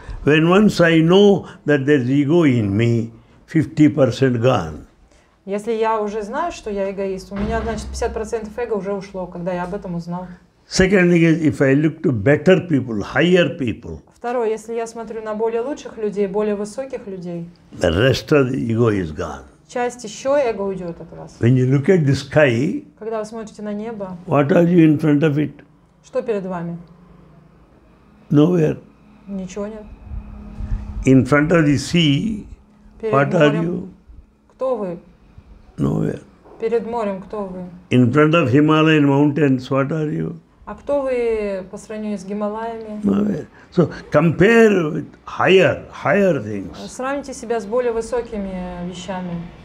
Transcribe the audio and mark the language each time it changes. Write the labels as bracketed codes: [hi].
[en] When once I know that there's ego in me, 50% gone. [ru] Если я уже знаю, что я эгоист, у меня, значит, 50% эго уже ушло, когда я об этом узнал. [en] Second thing is, if I look to better people, higher people. [ru] Второе, если я смотрю на более лучших людей, более высоких людей. [en] The rest of the ego is gone. [ru] Часть еще эго уйдет от вас. [en] When you look at the sky. [ru] Когда вы смотрите на небо. [en] What are you in front of it? [ru] Что перед вами? [en] Nowhere. [ru] Ничего нет. [en] In front of the sea. What are you? [ru] Кто вы? [en] Nowhere. [ru] Перед морем кто вы? [en] In front of Himalayan mountains, what are you? [ru] А кто вы по сравнению с Гималаями? [en] Nowhere. So compare with higher things. [ru] Сравните себя с более высокими вещами.